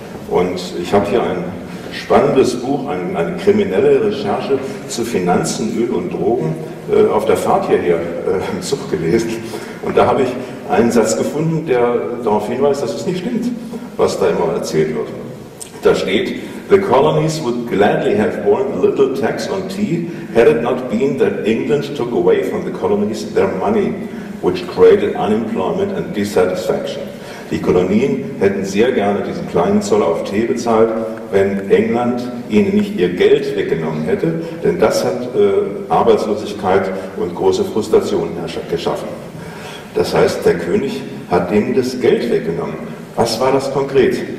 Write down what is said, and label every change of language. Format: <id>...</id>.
<de>Und ich habe hier ein spannendes Buch, eine kriminelle Recherche zu Finanzen, Öl und Drogen, auf der Fahrt hierher im Zug gelesen. Und da habe ich einen Satz gefunden, der darauf hinweist, dass es nicht stimmt, was da immer erzählt wird. Da steht,</de> <en>the colonies would gladly have borne a little tax on tea, had it not been that England took away from the colonies their money, which created unemployment and dissatisfaction.</en> <de>Die Kolonien hätten sehr gerne diesen kleinen Zoll auf Tee bezahlt, wenn England ihnen nicht ihr Geld weggenommen hätte, denn das hat Arbeitslosigkeit und große Frustrationen geschaffen. Das heißt, der König hat ihnen das Geld weggenommen. Was war das konkret?</de>